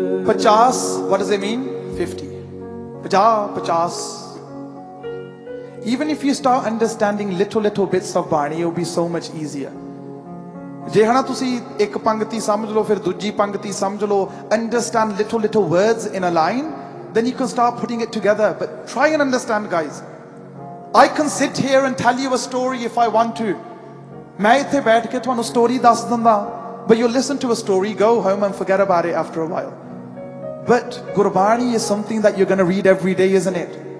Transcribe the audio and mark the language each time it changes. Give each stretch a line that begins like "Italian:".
English: 50 what does it mean 50 50 even if you start understanding little bits of bani it will be so much easier
Punjabi: ਜੇ ਹਨਾ ਤੁਸੀਂ ਇੱਕ ਪੰਕਤੀ ਸਮਝ ਲਓ ਫਿਰ ਦੂਜੀ ਪੰਕਤੀ ਸਮਝ ਲਓ
English: understand little words in a line then you can start putting it together but try and understand guys I can sit here and tell you a story if I want to.
Punjabi: Main itthe baith ke tuhanu story dass danda.
English: But you listen to a story, go home and forget about it after a while. But Gurbani is something that you're going to read every day, isn't it?